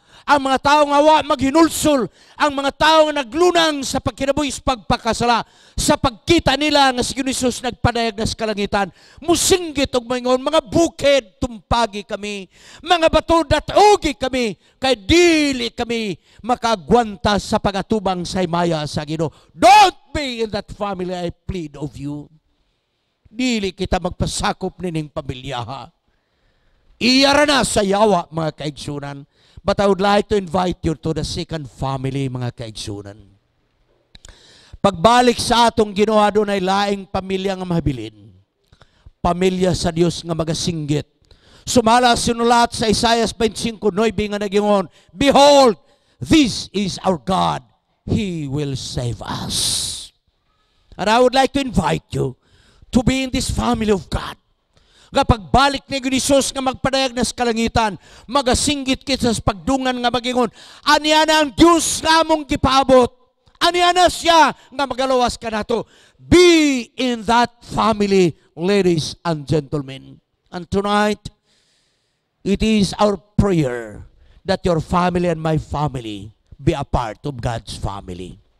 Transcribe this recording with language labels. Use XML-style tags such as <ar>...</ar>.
<ceb>ang mga tao nga wa maghinulsol, ang mga tao nga naglunang sa pagkinabuhi sa pagpakasala, sa pagkita nila nga si Jesus nagpadayag na sa kalangitan, musinggit og mayon, mga bukid tumpagi kami, mga bato datugi kami, kay dili kami makagwanta sa pagatubang sa himaya sa Ginoo.</ceb> <en>Don't be in that family, I plead of you.</en> <ceb>Dili kita magpasakop nining pamilya, ha? Iyara na sa yawa, mga kaigsunan.</ceb> <en>But I would like to invite you to the second family,</en> <ceb>mga kaigsunan. Pagbalik sa atong Ginoo, doon ay laing pamilya nga mahabilin. Pamilya sa Dios nga magasinggit. Sumala sinulat sa Isaiah 25:9 nga nagingon,</ceb> <en>behold, this is our God. He will save us. And I would like to invite you to be in this family of God.</en> <ceb>Kapagbalik ni Jesus nga magpadayag na sa kalangitan, magasinggit kita sa pagdungan nga magingon, aniya na ang Diyos nga among gipaabot. Aniya na siya nga magalawas ka nato.</ceb> <en>Be in that family, ladies and gentlemen. And tonight, it is our prayer that your family and my family be a part of God's family.</en>